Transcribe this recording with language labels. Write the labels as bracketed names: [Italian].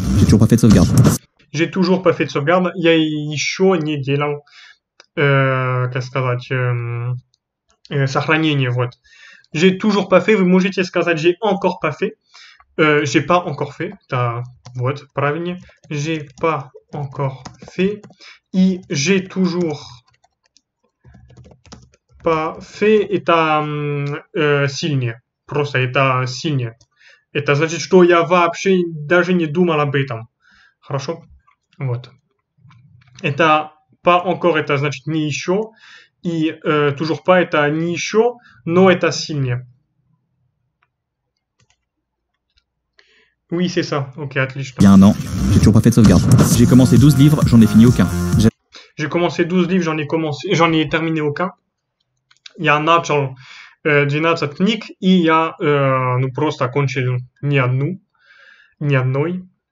[French] J'ai toujours pas fait de sauvegarde. J'ai toujours pas fait de sauvegarde. [Russian] Я еще не делал, как сказать, сохранение. Вот. [French] J'ai toujours pas fait. [Russian] Вы можете сказать, [French] j'ai encore pas fait. J'ai pas encore fait. [Russian] Вот, правильнее. [French] J'ai pas encore fait. И j'ai toujours pas fait. [Russian] Это сильнее. Просто это сильнее. Это значит, что я вообще даже не думал об этом. Хорошо? Вот. Это [French] pas encore, [Russian] это значит не еще. И [French] toujours pas, [Russian] это не еще, но это сильнее. [French] Oui, c'est ça. Ok, Il y [Russian] отлично. [French] a un an, j'ai toujours pas fait de sauvegarde. J'ai commencé 12 livres, j'en ai fini aucun. J'ai commencé 12 livres, j'en ai terminé aucun. Il y a [Russian] начал 12 книг, и я ну, просто кончил ни одну, ни одной.